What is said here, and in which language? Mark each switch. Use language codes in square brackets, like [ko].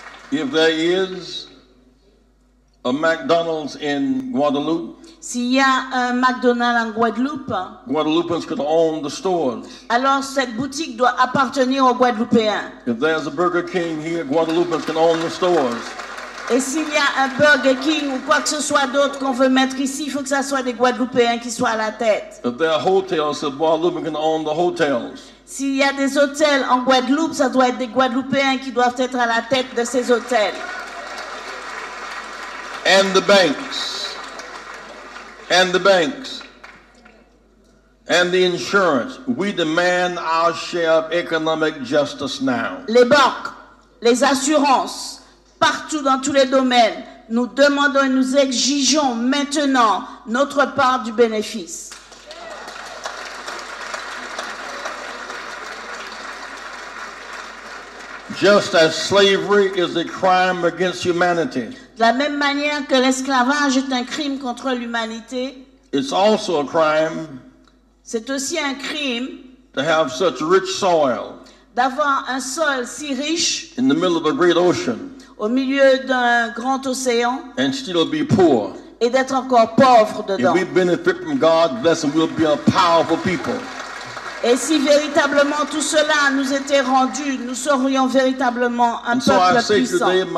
[en] If there is a McDonald's in Guadeloupe, [fr] s'il y a un McDonald's en Guadeloupe, [en] Guadeloupeans could own the stores. [fr] Alors cette boutique doit appartenir aux Guadeloupéens. [en] If there's a Burger King here, Guadeloupeans can own the stores. [fr] Et s'il y a un Burger King ou quoi que ce soit d'autre qu'on veut mettre ici, il faut que ça soit des Guadeloupéens qui soient à la tête. [en] If there are hotels, so Guadeloupeans can own the hotels. [fr] S'il y a des hôtels en Guadeloupe, ça doit être des Guadeloupéens qui doivent être à la tête de ces hôtels. [en] And the banks. And the banks and the insurance, we demand our share of economic justice now. [fr] Les banques, les assurances, partout dans tous les domaines, nous demandons et nous exigeons maintenant notre part du bénéfice. [en] Just as slavery is a crime against humanity. [fr] De la même manière que l'esclavage est un crime contre l'humanité, [en] it's also a crime, [fr] c'est aussi un crime, [en] to have such rich soil, [fr] d'avoir un sol si riche, [en] in the middle of a great ocean, [fr] au milieu d'un grand océan, [en] and still be poor, [fr] et d'être encore pauvre dedans. [en] If we benefit from God's blessing, we'll be a powerful people. [fr] Et si véritablement tout cela nous était rendu, nous serions véritablement un peuple puissant.